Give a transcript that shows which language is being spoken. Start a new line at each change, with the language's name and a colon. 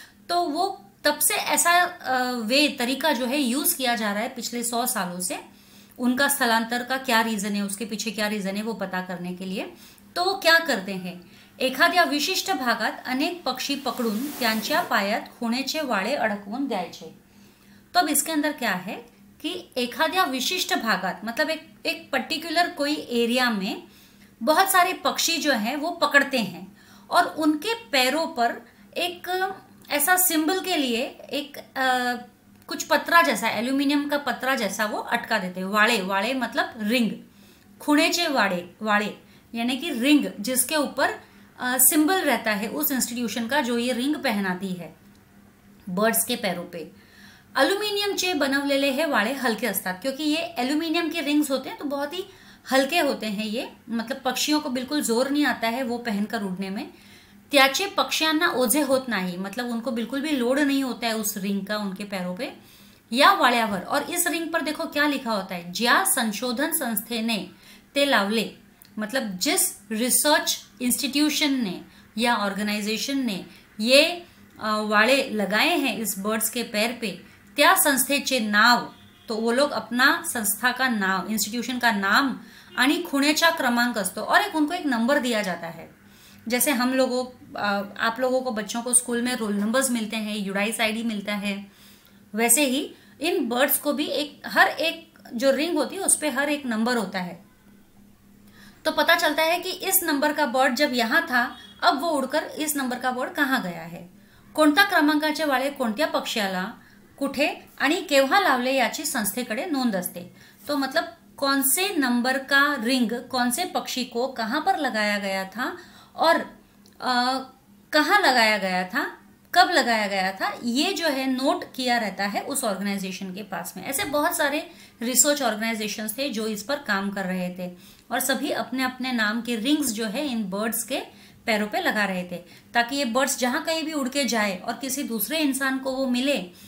Hindi: तो वो तब से ऐसा वे तरीका जो है यूज किया जा रहा है पिछले 100 सालों से, उनका स्थलांतर का क्या रीजन है, उसके पीछे क्या रीजन है वो पता करने के लिए। तो वो क्या करते हैं,
Marathi: एखाद्या विशिष्ट भागात अनेक पक्षी पकडून त्यांच्या पायात खुणेचे वाळे अडकवून द्यायचे।
Hindi: तब इसके अंदर क्या है कि
Marathi: एखाद्या विशिष्ट भागात,
Hindi: मतलब एक पर्टिकुलर कोई एरिया में बहुत सारे पक्षी जो है वो पकड़ते हैं, और उनके पैरों पर एक ऐसा सिंबल के लिए एक कुछ पत्रा जैसा, एल्यूमिनियम का पत्रा जैसा वो अटका देते हैं। वाड़े, वाड़े मतलब रिंग,
Marathi: खुणेचे वाड़े,
Hindi: वाड़े यानी कि रिंग जिसके ऊपर सिंबल रहता है उस इंस्टीट्यूशन का जो ये रिंग पहनाती है बर्ड्स के पैरों पे।
Marathi: अल्यूमिनियम चे बनवलेले हे वाड़े हल्के असतात,
Hindi: क्योंकि ये एल्यूमिनियम के रिंग्स होते हैं तो बहुत ही हल्के होते हैं ये, मतलब पक्षियों को बिल्कुल जोर नहीं आता है वो पहनकर उड़ने में।
Marathi: त्याचे पक्षियांना ओझे होत नाही,
Hindi: मतलब उनको बिल्कुल भी लोड नहीं होता है उस रिंग का उनके पैरों पे या वाळ्यावर। और इस रिंग पर देखो क्या लिखा होता है,
Marathi: ज्या संशोधन संस्थेने ते लावले,
Hindi: मतलब जिस रिसर्च इंस्टीट्यूशन ने या ऑर्गेनाइजेशन ने ये वाळे लगाए हैं इस बर्ड्स के पैर पे,
Marathi: त्या संस्थेचे नाव,
Hindi: तो वो लोग अपना संस्था का नाव, इंस्टीट्यूशन का नाम
Marathi: आणि खुणेचा क्रमांक असतो,
Hindi: और एक उनको एक नंबर दिया जाता है। जैसे हम लोगों, आप लोगों को बच्चों को स्कूल में रोल नंबर्स मिलते हैं, यूडाइस आईडी मिलता है, वैसे ही इन बर्ड्स को भी एक, हर एक जो रिंग होती है उस पर हर एक नंबर होता है। तो पता चलता है कि इस नंबर का बर्ड जब यहाँ था, अब वो उड़कर इस नंबर का बर्ड कहाँ गया है,
Marathi: कोणत्या क्रमांकाचे वाळे कोणत्या पक्षियाला कुठे आणि केव्हा लावले याची संस्थेकडे नोंद असते।
Hindi: तो मतलब कौन से नंबर का रिंग कौन से पक्षी को कहाँ पर लगाया गया था और कहाँ लगाया गया था, कब लगाया गया था, ये जो है नोट किया रहता है उस ऑर्गेनाइजेशन के पास में। ऐसे बहुत सारे रिसर्च ऑर्गेनाइजेशंस थे जो इस पर काम कर रहे थे, और सभी अपने अपने नाम के रिंग्स जो है इन बर्ड्स के पैरों पे लगा रहे थे, ताकि ये बर्ड्स जहाँ कहीं भी उड़ के जाए और किसी दूसरे इंसान को वो मिले